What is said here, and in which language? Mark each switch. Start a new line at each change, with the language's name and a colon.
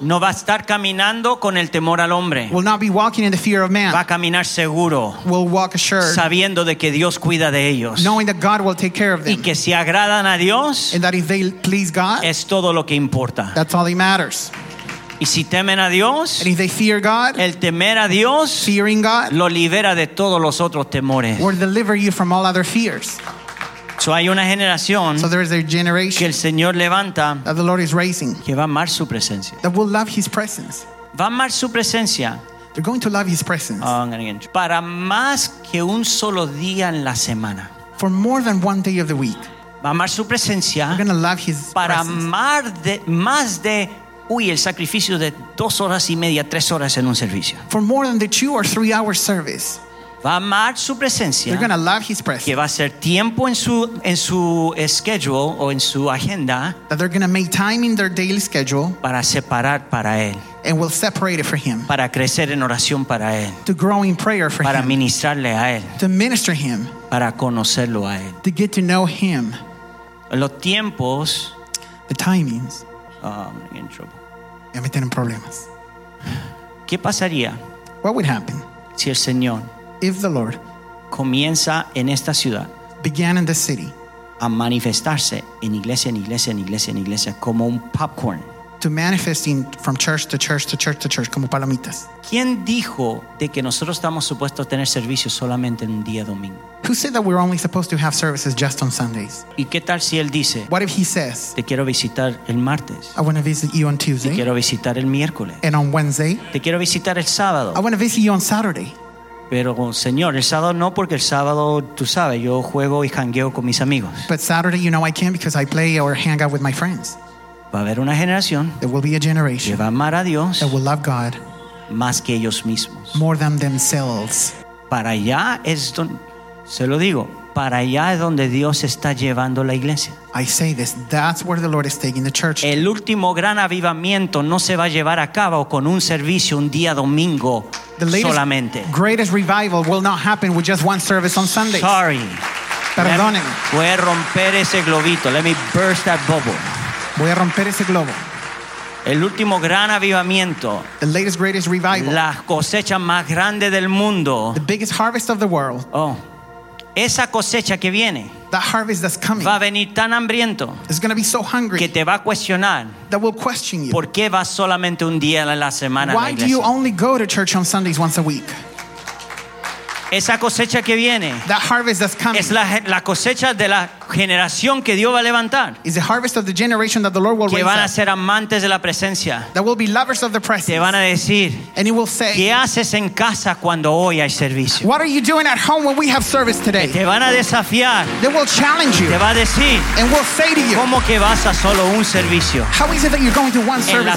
Spanish: No va a estar caminando con el temor al hombre.
English: Will not be walking in the fear of man.
Spanish: Va a caminar seguro.
English: Will walk assured.
Spanish: Sabiendo de que Dios cuida de ellos.
English: Knowing that God will take care of them.
Spanish: Y que si agradan a Dios.
English: And that if they please God.
Spanish: Es todo lo que importa.
English: That's all that matters.
Spanish: Y si temen a Dios,
English: and if they fear God,
Spanish: el temer a Dios,
English: fearing God,
Spanish: lo libera de todos los otros temores,
English: will deliver you from all other fears.
Spanish: So hay una generación,
English: so there is a generation,
Spanish: que el Señor levanta,
English: that the Lord is raising,
Spanish: que va a amar su presencia,
English: that will love his presence,
Spanish: va a amar su presencia,
English: they're going to love his presence, oh, I'm gonna get you,
Spanish: para más que un solo día en la semana,
English: for more than one day of the week,
Spanish: va a amar su presencia,
English: they're going to love his presence,
Spanish: para amar de más de uy, el sacrificio de dos horas y media, tres horas en un servicio.
English: For more than the 2 or 3 hour service.
Spanish: Va a amar su presencia.
English: They're going to love his presence.
Spanish: Que va a ser tiempo en su schedule o en su agenda.
English: That they're going to make time in their daily schedule.
Spanish: Para separar para él.
English: And will separate it for him.
Spanish: Para crecer en oración para él.
English: To grow in prayer for
Spanish: para Para ministrarle a él.
English: To minister him.
Spanish: Para conocerlo a él.
English: To get to know him.
Spanish: Los tiempos.
English: The timings. I'm getting in trouble.
Spanish: ¿Qué pasaría?
English: What would happen
Spanish: si el Señor,
English: if the Lord,
Spanish: comienza en esta ciudad,
English: began in the city,
Spanish: a manifestarse en iglesia, en iglesia, en iglesia, en iglesia, como un popcorn,
English: to manifesting from church to church to church to church,
Spanish: como palomitas? ¿Quién dijo de que nosotros estamos supuestos a tener servicios solamente en un día domingo?
English: Who said that we're only supposed to have services just on Sundays?
Spanish: ¿Y qué tal si él dice?
English: What if he says?
Spanish: Te quiero visitar el martes.
English: I want to visit you on Tuesday.
Spanish: Te quiero visitar el miércoles.
English: And on Wednesday.
Spanish: Te quiero visitar el sábado.
English: I want to visit you on Saturday.
Spanish: Pero Señor, el sábado no, porque el sábado, tú sabes, yo juego y jangueo con mis amigos.
English: But Saturday, you know, I can't because I play or hang out with my friends.
Spanish: Va a haber una generación.
English: There will be a generation.
Spanish: Que va a amar a Dios.
English: That will love God.
Spanish: Más que ellos mismos.
English: More than themselves.
Spanish: Para allá es donde, se lo digo, para allá es donde Dios está llevando la iglesia.
English: I say this, that's where the Lord is taking the church.
Spanish: El último gran avivamiento no se va a llevar a cabo con un servicio un día domingo solamente.
English: The greatest revival will not happen with just one service on Sunday. Sorry.
Spanish: Perdonen. Voy a romper ese globito.
English: Let me burst that bubble.
Spanish: Voy a romper ese globo. El último gran avivamiento.
English: The latest greatest revival.
Spanish: La cosecha más grande del mundo.
English: The biggest harvest of the world.
Spanish: Oh. Esa cosecha que viene.
English: That harvest that's coming.
Spanish: Va a venir tan hambriento.
English: It's going to be so hungry.
Spanish: Que te va a cuestionar.
English: That will question you.
Spanish: ¿Por qué vas solamente un día a la semana a la iglesia?
English: Why do you only go to church on Sundays once a week?
Spanish: esa cosecha que viene,
English: that harvest that's coming,
Spanish: es la cosecha de la generación que Dios va a levantar,
English: is the harvest of the generation that the Lord will raise up,
Spanish: que van a ser amantes de la presencia,
English: that will be lovers of the presence,
Spanish: te van a decir,
English: and he will say,
Spanish: ¿qué haces en casa cuando hoy hay servicio?
English: What are you doing at home when we have service today?
Spanish: Te van a desafiar,
English: they will challenge you,
Spanish: te va a decir,
English: and will say to you,
Spanish: ¿cómo que vas a solo un servicio?
English: How is it that you're going to one service